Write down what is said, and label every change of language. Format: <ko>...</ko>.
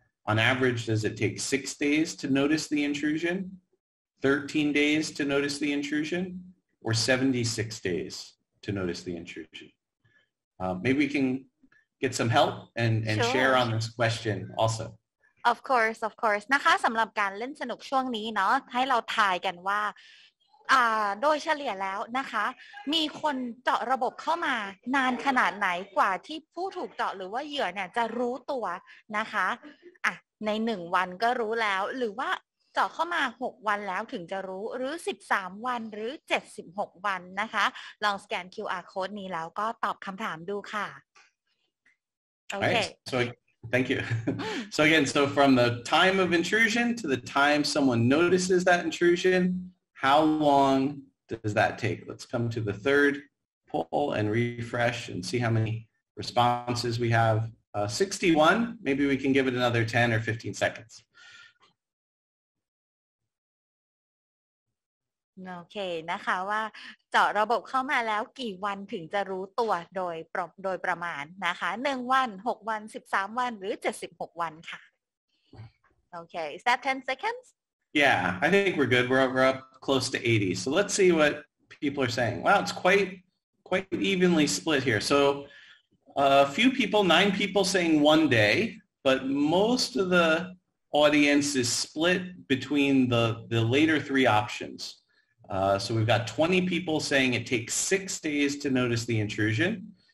<en>On average, does it take 6 days to notice the intrusion? 13 days to notice the intrusion? Or 76 days to notice the intrusion? Maybe we can get some help and sure. Share on this question also. Of course.</en> <th>นะคะสำหรับการเล่นสนุกช่วงนี้เนาะให้เราทายกันว่าโดยเฉลี่ยแล้วนะคะมีคนเจาะระบบเข้ามานานขนาดไหนกว่าที่ผู้ถูกเจาะหรือว่าเหยื่อเนี่ยจะรู้ตัวนะคะอ่ะใน1วันก็รู้แล้วหรือว่าเจาะเข้ามา6วันแล้วถึงจะรู้หรือ13วันหรือ76วันนะคะลองสแกน QR code นี้แล้วก็ตอบคำถามดูค่ะ</th> <en>โอเค so thank you so again so from the time of intrusion to the time someone notices that intrusion how long does that take let's come to the third poll and refresh and see how many responses we have 61 maybe we can give it another 10 or 15 seconds</en> <th>โอเคนะคะว่าเจาะระบบเข้ามาแล้วกี่วันถึงจะรู้ตัวโดยประมาณนะคะ1วัน6วัน13วันหรือ76วันค่ะโอเค</th> <en>is that 10 seconds yeah I think we're good we're up close to 80 so let's see what people are saying wow it's quite evenly split here so a few people 9 people saying 1 day but most of the audience is split between the later 3 optionsSo we've got 20 people saying it takes 6 days to notice the intrusion.</en>